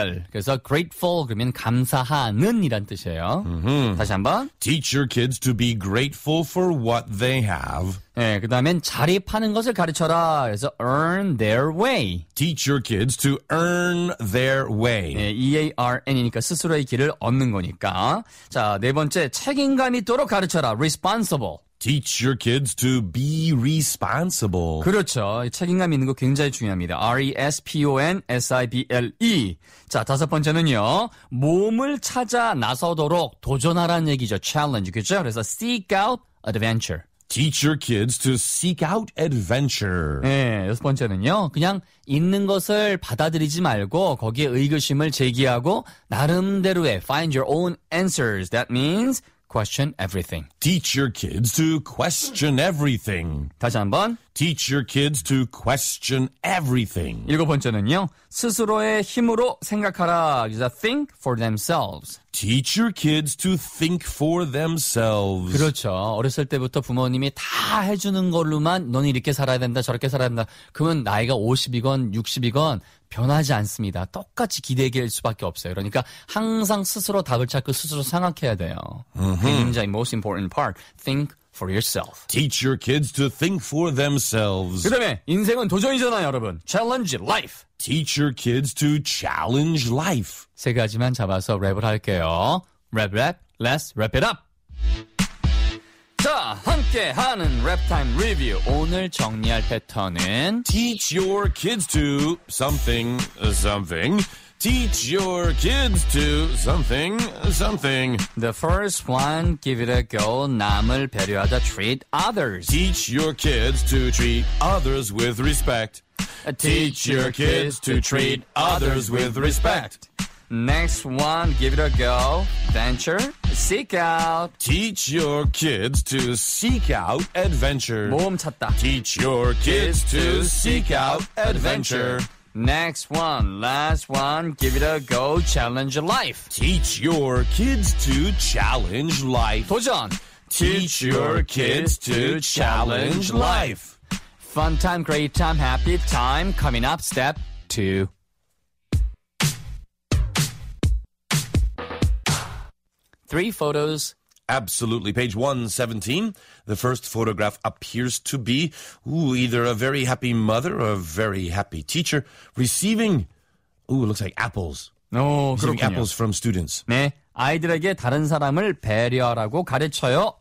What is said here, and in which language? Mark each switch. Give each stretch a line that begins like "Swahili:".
Korean: 그래서 grateful 그러면 감사하는 이란 뜻이에요. Mm-hmm. 다시 한번.
English: Teach your kids to be grateful for what they have.
Korean: 네, 그 다음엔 자립하는 것을 가르쳐라. 그래서
English: earn their way. Teach your kids to earn their way.
Korean: 네, E-A-R-N이니까 스스로의 길을 얻는 거니까. 자, 네 번째, 책임감 있도록 가르쳐라.
English: Responsible. Teach your kids to be responsible.
Korean: 그렇죠. 책임감 있는 거 굉장히 중요합니다. R-E-S-P-O-N-S-I-B-L-E. 자, 다섯 번째는요. 몸을 찾아 나서도록 도전하라는 얘기죠. Challenge, 그렇죠? 그래서
English: seek out adventure. Teach your kids to seek out adventure.
Korean: 네, 여섯 번째는요. 그냥 있는 것을 받아들이지 말고 거기에 의구심을 제기하고 나름대로의
English: find your own answers. That means question everything. Teach your kids to question everything.
Korean: 다시 한번.
English: Teach your kids to question everything.
Korean: 일곱 번째는요. 스스로의 힘으로 생각하라.
English: Think for themselves. Teach your kids to think for themselves.
Korean: 그렇죠. 어렸을 때부터 부모님이 다 해주는 걸로만 넌 이렇게 살아야 된다, 저렇게 살아야 된다. 그러면 나이가 50이건 60이건 변하지 않습니다. 똑같이 기대길 수밖에 없어요. 그러니까 항상 스스로 답을 찾고 스스로 생각해야 돼요. Uh-huh. 굉장히
English: most important part. Think for yourself. Teach your kids to think for themselves.
Korean: 그 다음에 인생은 도전이잖아요, 여러분.
English: Challenge life. Teach your kids to challenge life.
Korean: 세 가지만 잡아서 랩을 할게요.
English: Rap, rap, let's wrap it up.
Korean: 자, 함께 하는 랩 타임 리뷰. 오늘 정리할 패턴은
English: Teach your kids to something, something. Teach your kids to something, something. The first one, give it a go.
Korean: 남을 배려하다,
English: treat others. Teach your kids to treat others with respect. Teach your kids to treat others with respect. Next one, give it a go. Venture, seek out. Teach your kids to seek out adventure.
Korean: 모험 찾다.
English: Teach your kids to seek out adventure. Next one, last one, give it a go, challenge life. Teach your kids to challenge life.
Korean: 도전!
English: Teach your kids to challenge life. Fun time, great time, happy time, coming up, step two. Three photos. Absolutely. Page 117. The first photograph appears to be either a very happy mother or a very happy teacher receiving, it looks like apples. Receiving apples from students.
Korean: 네. 아이들에게 다른 사람을 배려하라고 가르쳐요.